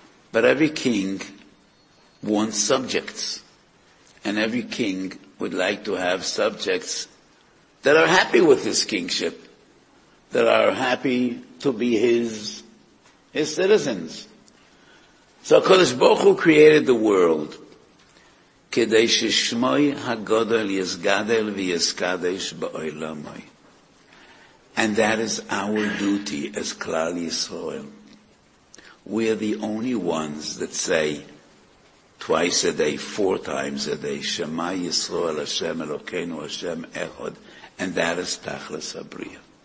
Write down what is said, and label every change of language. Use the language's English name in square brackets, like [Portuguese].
[English] But every king wants subjects. And every king would like to have subjects that are happy with his kingship, that are happy to be his citizens. So HaKadosh Baruch Hu created the world. [Hebrew] כדי ששמוי הגודל יסגדל ויסקדש בעולמוי. [English] And that is our duty as Klal Yisrael. We are the only ones that say twice a day, four times a day, Shema Yisrael Hashem Elokeinu Hashem Echod, and that is Tachlis HaBriya.